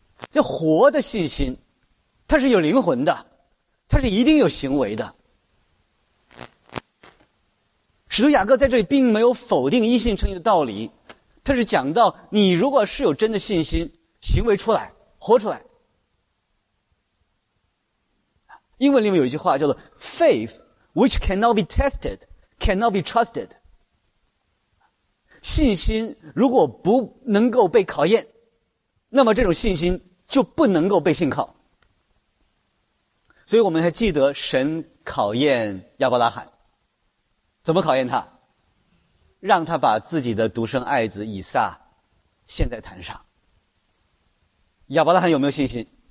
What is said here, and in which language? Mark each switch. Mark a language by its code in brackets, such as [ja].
[zh] 这活的信心它是有灵魂的，它是一定有行为的。使徒雅各在这里并没有否定因信称义的道理，他是讲到你如果是有真的信心，行为出来，活出来。英文里面有一句话叫做 [en] Faith which cannot be tested cannot be trusted。 [zh] 信心如果不能够被考验，那么这种信心就不能够被信靠。所以我们还记得神考验亚伯拉罕，怎么考验他？让他把自己的独生爱子以撒献在坛上。亚伯拉罕有没有信心？